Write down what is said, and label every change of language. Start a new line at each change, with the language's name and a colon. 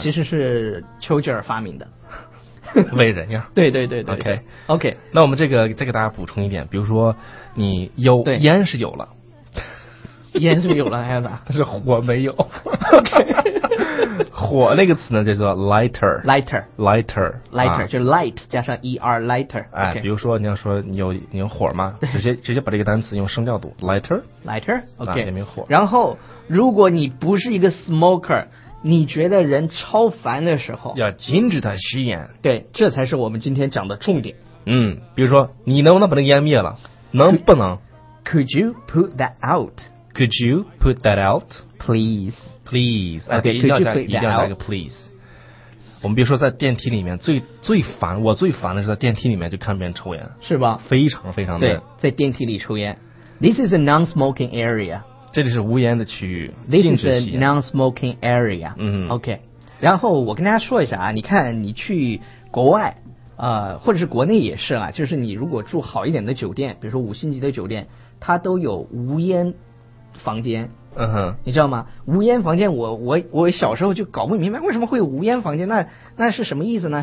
Chinese: 其实是丘吉尔发明的。伟人呀。对对对对，OK OK，那我们这个再给大家补充一点，比如说你有烟是有了。烟是有了，孩子，但是火没有。 Okay. 火那个词呢，叫做 lighter，、啊、就 light 加上 er lighter。哎， okay. 比如说你要说你有火吗？直接把这个单词用升调读 lighter，lighter， OK，、啊、也没火。然后，如果你不是一个 smoker， 你觉得人超烦的时候，要禁止他吸烟。对，这才是我们今天讲的重点。嗯，比如说你能不能把那个烟灭了？能不能
English: ？Could you put that out？ Could you put that out, please? Please, okay.
Chinese: 一定要来个 please。我们比如说在电梯里面最烦的是在电梯里面就看别人抽烟，是吧？非常非常的。对，在电梯里抽烟。
English: This is a non-smoking area.
Chinese: 这里是无烟的区域。
English: This is a non-smoking area. 嗯，OK。
Chinese: 然后我跟大家说一下啊，你看你去国外。或者是国内也是啊，就是你如果住好一点的酒店，比如说五星级的酒店，它都有无烟。房间，嗯哼，你知道吗？无烟房间我小时候就搞不明白为什么会有无烟房间，那是什么意思呢？